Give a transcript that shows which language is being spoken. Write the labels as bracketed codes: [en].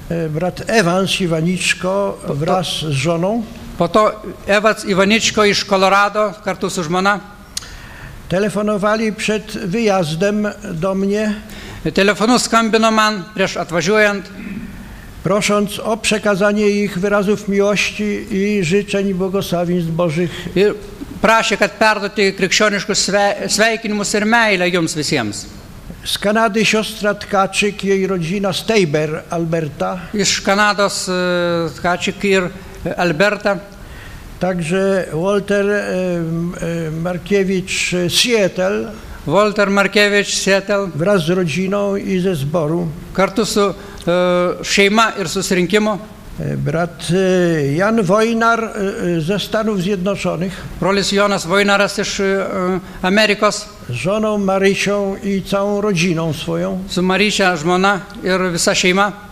[pl] brat Evans Iwaniczko wraz z żoną. [lt] Po to Evans Iwaniczko iż Colorado, kartu su żmona. [pl] Telefonowali przed wyjazdem do mnie. [lt] Telefonu skambino man prieš atvažiuojant. [pl] Prosząc o przekazanie ich wyrazów miłości i życzeń błogosławieństw Bożych. I [lt] prašė, kad perduoti krikščioniškus sveikinimus ir meilę jums visiems. [pl] Z Kanady siostra Tkaczyk, jej rodzina Steiber, Alberta. [lt] Iš Kanados Tkaczyk ir Alberta. [pl] Także Walter Markiewicz, Seattle. [lt] Walter Markiewicz, Seattle. [pl] Wraz z rodziną i ze zboru. [lt] Kartu su šeima ir susirinkimo. [pl] Brat Jan Wojnar ze Stanów Zjednoczonych. [lt] Brolis Jonas Wojnaras iš Amerikos. [pl] Z żoną Marysią i całą rodziną swoją. [lt] Su Marysia, žmona ir visa šeima.